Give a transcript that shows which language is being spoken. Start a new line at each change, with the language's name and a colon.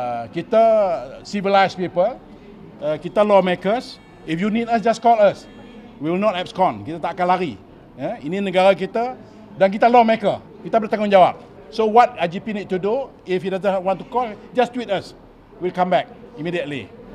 English: Kita civilized people, kita lawmakers, if you need us, just call us. We will not abscond.
Malay: Kita tak akan lari. Ini negara kita dan kita lawmaker. Kita bertanggungjawab.
English: So what IGP need to do, if he doesn't want to call, just tweet us. We'll come back immediately.